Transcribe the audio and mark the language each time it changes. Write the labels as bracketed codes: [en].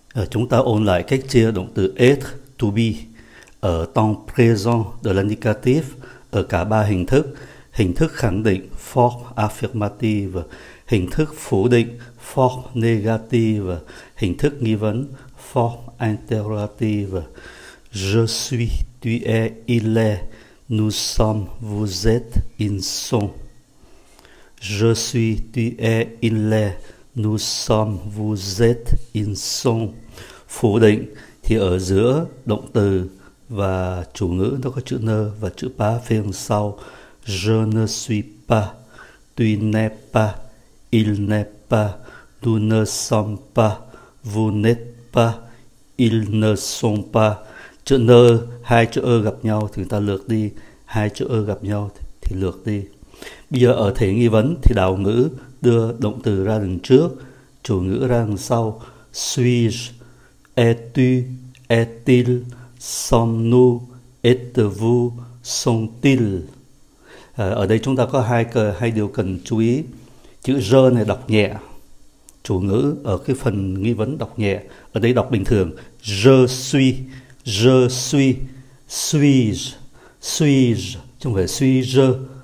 [vi] Chúng ta ôn lại cách chia động từ être, to be ở [fr] temps présent de l'indicatif [vi] ở cả ba hình thức: hình thức khẳng định form affirmative, hình thức phủ định form négative, hình thức nghi vấn form interrogative. [fr] Je suis, tu es, il est, nous sommes, vous êtes, ils sont. Je suis, tu es, il est, nous sommes, vous êtes, ils sont. [vi] Phủ định thì ở giữa động từ và chủ ngữ, nó có chữ ne và chữ pas phía sau. [fr] Je ne suis pas, tu n'es pas, il n'est pas, nous ne sommes pas, vous n'êtes pas, ils ne sont pas. [vi] Chữ ne, hai chữ e gặp nhau thì người ta lược đi, hai chữ e gặp nhau thì lược đi. Bây giờ ở thể nghi vấn thì đảo ngữ đưa động từ ra đằng trước, chủ ngữ ra đằng sau. [fr] Suis, es-tu, est-il, sommes-nous, êtes-vous, sont-ils. [vi] Ở đây chúng ta có hai điều cần chú ý. Chữ je này đọc nhẹ, chủ ngữ ở cái phần nghi vấn đọc nhẹ, ở đây đọc bình thường. [fr] Je suis, je suis, suis, suis, [vi] chứ không phải [fr] suis je.